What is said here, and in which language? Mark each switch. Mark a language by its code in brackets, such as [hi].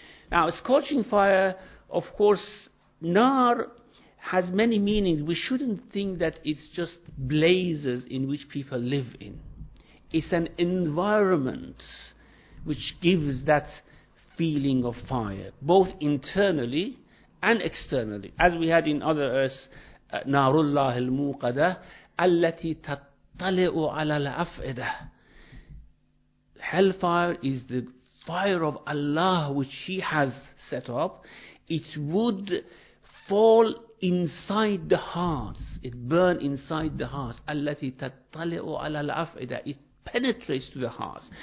[en] Now, a scorching fire, of course, نَار has many meanings. We shouldn't think that it's just blazes in which people live in. It's an environment which gives that feeling of fire, both internally and externally. As we had in other verse, [ar] نَارُ اللَّهِ الْمُوْقَدَةِ الَّتِي تَطَّلِعُ عَلَى الْأَفْئِدَةِ. [en] Hellfire is the fire of Allah which He has set up. It would fall inside the hearts, it burns inside the hearts. [ar] التي تطلع على الأفئدة, [en] it penetrates to the hearts.